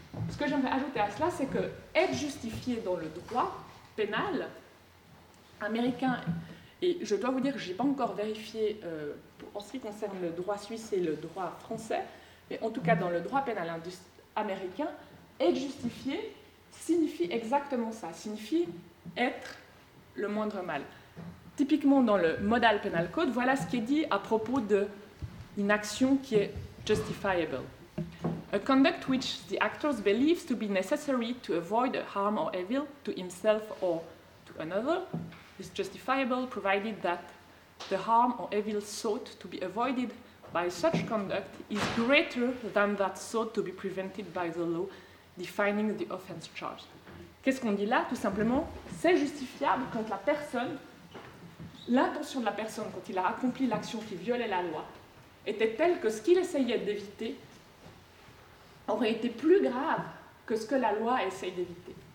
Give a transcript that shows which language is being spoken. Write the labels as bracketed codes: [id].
[fr] Ce que j'aimerais ajouter à cela, c'est que être justifié dans le droit pénal américain, et je dois vous dire que je n'ai pas encore vérifié en ce qui concerne le droit suisse et le droit français, mais en tout cas dans le droit pénal américain, être justifié signifie exactement ça, signifie être le moindre mal. Typiquement dans le Model Penal Code, voilà ce qui est dit à propos d'une action qui est justifiable. [en] A conduct which the actor believes to be necessary to avoid harm or evil to himself or to another is justifiable provided that the harm or evil sought to be avoided by such conduct is greater than that sought to be prevented by the law defining the offense charged. [fr] Qu'est-ce qu'on dit là? Tout simplement, c'est justifiable quand la personne, l'intention de la personne quand il a accompli l'action qui violait la loi était telle que ce qu'il essayait d'éviter aurait été plus grave que ce que la loi essaye d'éviter.